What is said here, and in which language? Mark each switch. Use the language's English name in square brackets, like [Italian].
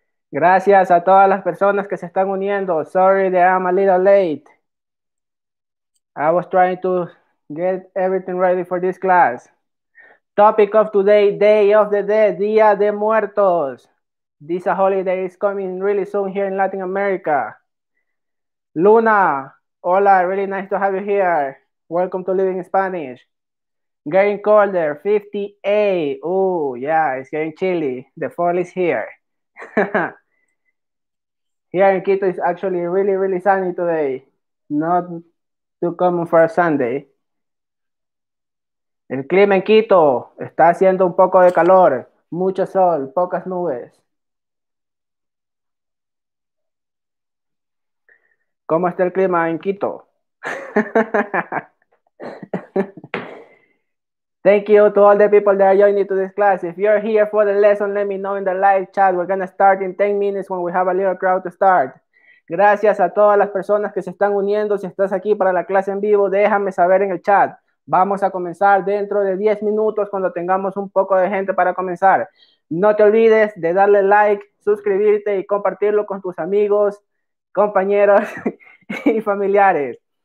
[Spanish] Gracias a todas las personas que se están uniendo. [English] Sorry that I'm a little late. I was trying to get everything ready for this class. Topic of today, Day of the Dead, Día de Muertos. This is a holiday is coming really soon here in Latin America. Luna, hola, really nice to have you here. Welcome to Living in Spanish. Getting colder, 58. Oh, yeah, it's getting chilly. The fall is here. Here in Quito is actually really, really sunny today. Not too common for a Sunday. [Spanish] El clima en Quito está haciendo un poco de calor, mucho sol, pocas nubes. ¿Cómo está el clima en Quito? [English] Thank you to all the people that are joining to this class. If you're here for the lesson, let me know in the live chat. We're going to start in 10 minutes when we have a little crowd to start. [Spanish] Gracias a todas las personas que se están uniendo. Si estás aquí para la clase en vivo, déjame saber en el chat. Vamos a comenzar dentro de 10 minutos cuando tengamos un poco de gente para comenzar. No te olvides de darle like, suscribirte y compartirlo con tus amigos, compañeros y familiares.